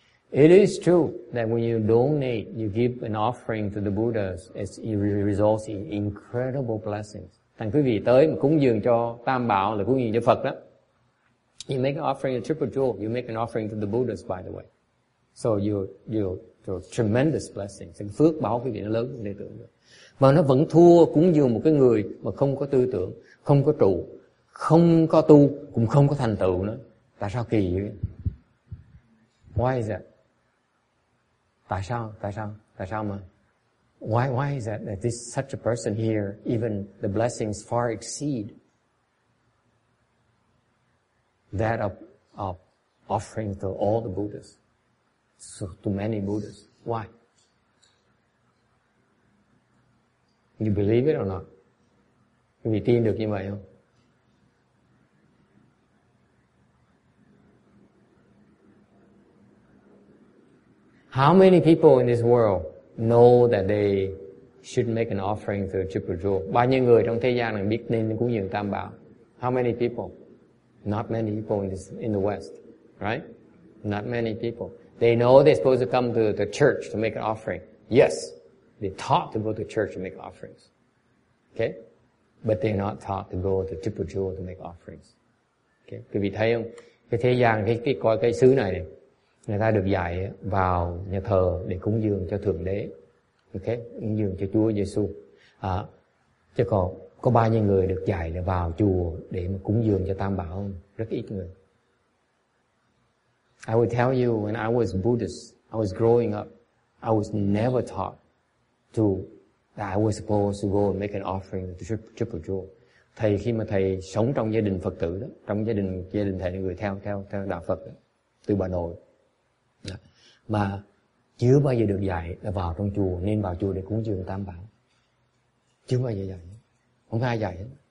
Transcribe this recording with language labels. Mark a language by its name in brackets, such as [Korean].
[English] It is true that when you donate, you give an offering to the Buddhas, it results in incredible blessings. [Vietnamese] Thành quý vị tới mà cúng dường cho Tam Bảo là cúng dường cho Phật đó. [English] You make an offering to Triple Jewel, you make an offering to the Buddhas, by the way. So you're tremendous blessings. [Vietnamese] Phước báo quý vị nó lớn hơn đệ tử. Mà nó vẫn thua cúng dường một cái người mà không có tư tưởng, không có trụ, không có tu, cũng không có thành tựu nữa. Tại sao kỳ vậy? [English] Why is that? [Vietnamese] Tại sao mà? [English] Why is that that this such a person here, even the blessings far exceed that of offering to all the Buddhas, so to many Buddhas? Why? You believe it or not? [Vietnamese] Quý vị tin được như vậy không? [English] How many people in this world know that they should make an offering to Triple Jewel? [Vietnamese] Bao nhiêu người trong thế gian này biết nên cúng dường Tam Bảo? [English] How many people? Not many people in the West, right? Not many people. They know they're supposed to come to the church to make an offering. Yes, they're taught to go to church to make offerings. Okay? But they're not taught to go to Triple Jewel to make offerings. [Vietnamese] Okay. Quý vị thấy không? Cái thế gian, cái xứ này, này, người ta được dạy vào nhà thờ để cúng dường cho Thượng Đế. Okay. Cúng dường cho Chúa Giê-xu. À, chứ còn có bao nhiêu người được dạy là vào chùa để mà cúng dường cho Tam Bảo không? Rất ít người. [English] I will tell you, when I was Buddhist, I was growing up, I was never taught to that I was supposed to go and make an offering to triple jewel. [Vietnamese] Thầy khi mà thầy sống trong gia đình Phật tử đó, trong gia đình thầy người theo đạo Phật đó, từ bà nội, đó, mà chưa bao giờ được dạy là vào trong chùa nên vào chùa để cúng dường Tam Bảo, chưa bao giờ dạy, không ai dạy hết.